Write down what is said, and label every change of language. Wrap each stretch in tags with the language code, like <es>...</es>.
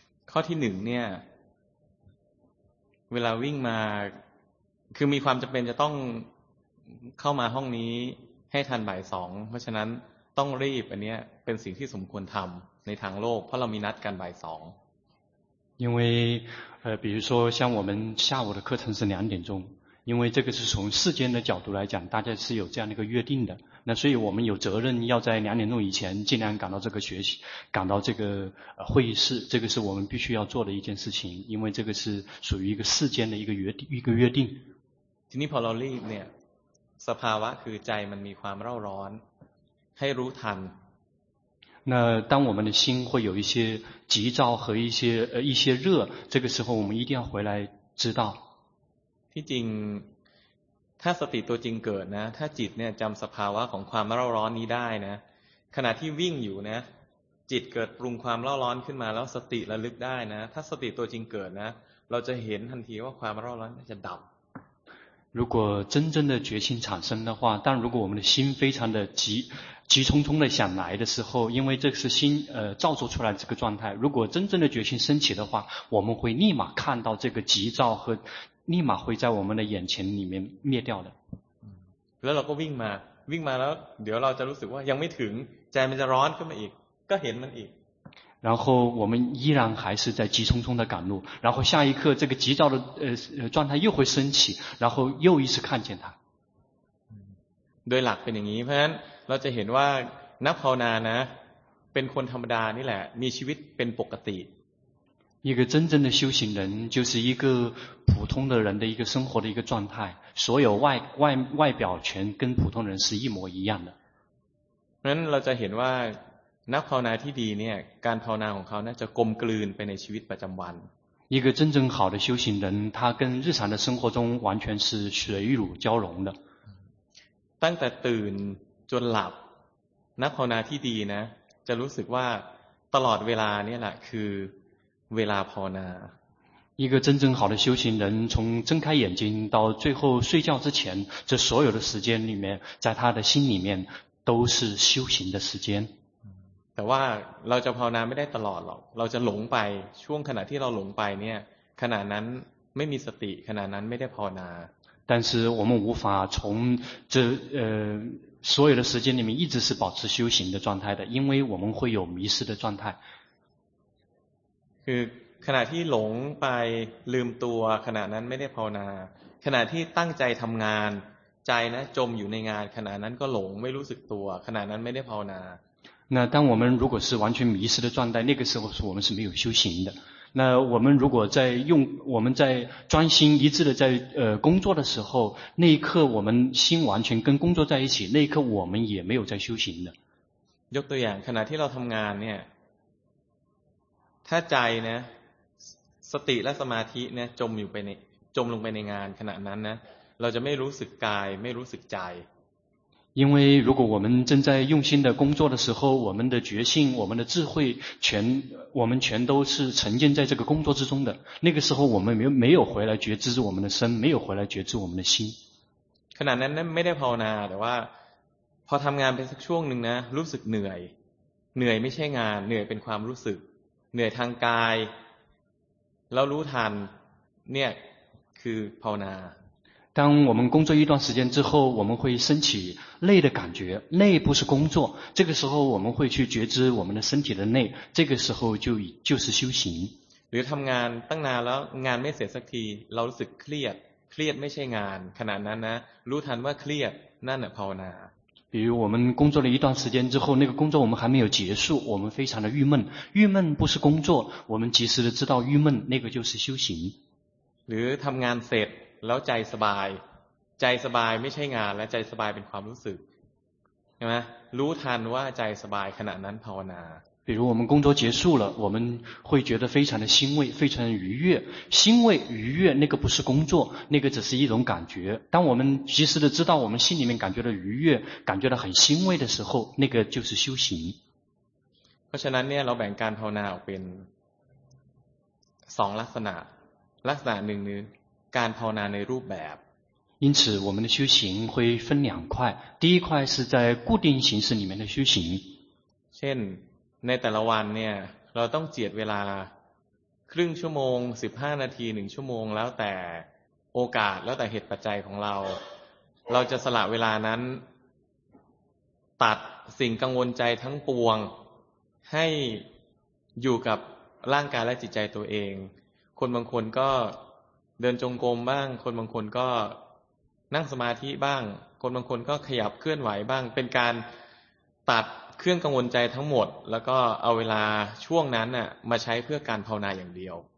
<th>ข้อที่หนึ่งเนี่ยเวลาวิ่งมาคือมีความจำเป็นจะต้องเข้ามาห้องนี้ให้ทันบ่ายสองเพราะฉะนั้นต้องรีบอันเนี้ยเป็นสิ่งที่สมควรทำในทางโลกเพราะเรามีนัดกันบ่ายสอง</th> <zh>因为比如说像我们下午的课程是两点钟因为这个是从世间的角度来讲大家是有这样的一个约定的那所以我们有责任要在两点钟以前尽量赶到这个学习赶到这个会议室这个是我们必须要做的一件事情因为这个是属于一个世间的一个约定</zh> <th>ทีนี้พอเรารีบเนี่ยสภาวะคือใจมันมีความเร่าร้อนให้รู้ทัน</th> <zh>那当我们的心会有一些急躁和一些热这个时候我们一定要回来知道</zh> <th>ที่จริงถ้าสติตัวจริงเกิดนะถ้าจิตเนี่ยจำสภาวะของความเร่าร้อนนี้ได้นะขณะที่วิ่งอยู่นะจิตเกิดปรุงความเร่าร้อนขึ้นมาแล้วสติระลึกได้นะถ้าสติตัวจริงเกิดนะเราจะเห็นทันทีว่าความเร่าร้อนจะดับ</th> <zh>如果真正的决心产生的话但如果我们的心非常的急匆匆的想来的时候因为这是心造作出来的这个状态如果真正的决心升起的话我们会立马看到这个急躁和立马会在我们的眼前里面灭掉的</zh> <th>แล้วเราก็วิ่งมาแล้วเดี๋ยวเราจะรู้สึกว่ายังไม่ถึงใจมันจะร้อนขึ้นมาอีกก็เห็นมันอีก</th> <zh>然后我们依然还是在急匆匆的赶路然后下一刻这个急躁的状态又会升起然后又一次看见它</zh> <th>โดยหลักเป็นอย่างนี้เพราะฉะนั้นเราจะเห็นว่านักภาวนานะเป็นคนธรรมดานี่แหละมีชีวิตเป็นปกติ</th> <zh>一个真正的修行人就是一个普通的人的一个生活的一个状态所有外表全跟普通人是一模一样的</zh> <th>นั้นเราจะเห็นว่านักภาวนาที่ดีเนี่ยการภาวนาของเขาน่าจะกลมกลืนไปในชีวิตประจำวัน</th> <zh>一个真正好的修行人他跟日常的生活中完全是水乳交融的</zh> <th>ตั้งแต่ตื่นจนหลับนักภาวนาที่ดีนะจะรู้สึกว่าตลอดเวลาเนี่ยแหละคือเวลาภาวนา</th> <zh>一个真正好的修行人从睁开眼睛到最后睡觉之前这所有的时间里面在他的心里面都是修行的时间</zh> <th>แต่ว่าเราจะภาวนาไม่ได้ตลอดหรอกเราจะหลงไปช่วงขณะที่เราหลงไปเนี่ยขณะนั้นไม่มีสติขณะนั้นไม่ได้ภาวนา</th> <zh>但是我们无法从这所有的时间里面一直是保持修行的状态的，因为我们会有迷失的状态。</zh> <th>คือขณะที่หลงไปลืมตัวขณะนั้นไม่ได้ภาวนาขณะที่ตั้งใจทำงานใจนะจมอยู่ในงานขณะนั้นก็หลงไม่รู้สึกตัวขณะนั้นไม่ได้ภาวนา</th> <zh>那当我们如果是完全迷失的状态，那个时候是我们是没有修行的。那我们如果在用我们在专心一致的在工作的时候，那一刻我们心完全跟工作在一起，那一刻我们也没有在修行的。</zh> <th>ยกตัวอย่างขณะที่เราทำงานเนี่ยถ้าใจนะสติและสมาธิเนี่ยจมอยู่ไปในจมลงไปในงานขณะนั้นนะเราจะไม่รู้สึกกายไม่รู้สึกใจ</th> <zh>因为如果我们正在用心的工作的时候，我们的觉性、我们的智慧，我们全都是沉浸在这个工作之中的。那个时候，我们没有回来觉知我们的身，没有回来觉知我们的心。</zh> <th>ขณะนั้นไม่ได้ภาวนาแต่ว่าพอทำงานไปสักช่วงหนึ่งนะรู้สึกเหนื่อยเหนื่อยไม่ใช่งานเหนื่อยเป็นความรู้สึกเหนื่อยทางกายแล้วรู้ทันเนี่ยคือภาวนา</th> <zh>当我们工作一段时间之后，我们会升起累的感觉，累不是工作，这个时候我们会去觉知我们的身体的累，这个时候就是修行。</zh> <th>หรือทำงานตั้งนานแล้วงานไม่เสร็จสักทีเรารู้สึกเครียดเครียดไม่ใช่งานขณะนั้นนะรู้ทันว่าเครียดนั่นแหละภาวนา</th> <zh>比如我们工作了一段时间之后，那个工作我们还没有结束，我们非常的郁闷，郁闷不是工作，我们及时的知道郁闷，那个就是修行。</zh> <th>หรือทำงานเสร็จแล้วใจสบายใจสบายไม่ใช่งานและใจสบายเป็นความรู้สึกใช่ไหมรู้ทันว่าใจสบายขณะนั้นภาวนา</th> <zh>比如我们工作结束了，我们会觉得非常的欣慰，非常愉悦。欣慰愉悦那个不是工作，那个只是一种感觉。当我们及时的知道我们心里面感觉的愉悦，感觉到很欣慰的时候，那个就是修行。</zh> <th>เพราะฉะนั้นเนี่ยเราแบ่งการภาวนาออกเป็นสองลักษณะลักษณะหนึ่งนึงการภาวนาในรูปแบบ</th> <zh>因此我们的修行会分两块第一块是在固定形式里面的修行</zh> <th>เช่นในแต่ละวันเนี่ยเราต้องเจียดเวลาครึ่งชั่วโมง15นาที1ชั่วโมงแล้วแต่โอกาสแล้วแต่เหตุปัจจัยของเราเราจะสละเวลานั้น ตัดสิ่งกังวลใจทั้งปวงให้อยู่กับร่างกายและจิตใจตัวเองคนบางคนก็เดินจงกรมบ้างคนบางคนก็นั่งสมาธิบ้างคนบางคนก็ขยับเคลื่อนไหวบ้างเป็นการตัดเครื่องกังวลใจทั้งหมดแล้วก็เอาเวลาช่วงนั้นน่ะมาใช้เพื่อการภาวนาอย่างเดียว</th>